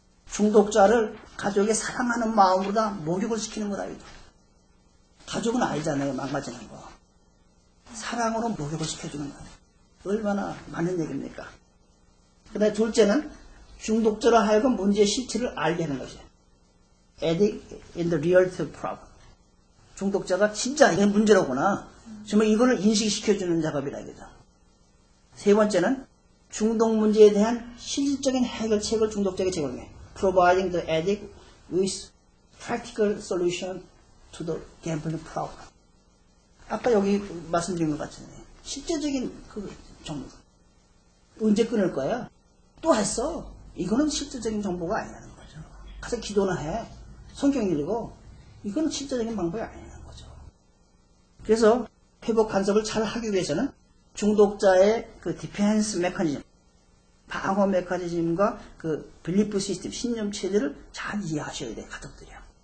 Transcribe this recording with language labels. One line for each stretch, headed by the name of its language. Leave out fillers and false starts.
Korean: 중독자를 가족의 사랑하는 마음으로 다 목욕을 시키는 거다. 가족은 알잖아요. 망가지는 거. 사랑으로 목욕을 시켜주는 거. 얼마나 많은 얘기입니까? 그 다음 둘째는 중독자로 하여금 문제의 실체를 알게 하는 것이에요.
English: Addict in the real problem.
Korean: 중독자가 진짜 이게 문제라구나. 정말 이거를 인식시켜주는 작업이라 이거죠. 세 번째는 중독 문제에 대한 실질적인 해결책을 중독자에게 제공해.
English: Providing the addict with practical solution to the gambling problem.
Korean: 아까 여기 말씀드린 것 같은데 실제적인 그 정보. 언제 끊을 거야? 또 했어. 이거는 실질적인 정보가 아니라는 거죠. 가서 기도나 해. 성경 읽고. 이건 실질적인 방법이 아니라는 거죠. 그래서 회복 간섭을 잘 하기 위해서는 중독자의 그 디펜스 메커니즘, 방어 메커니즘과 그 빌리프 시스템, 신념 체제를 잘 이해하셔야 돼요, 가족들이요.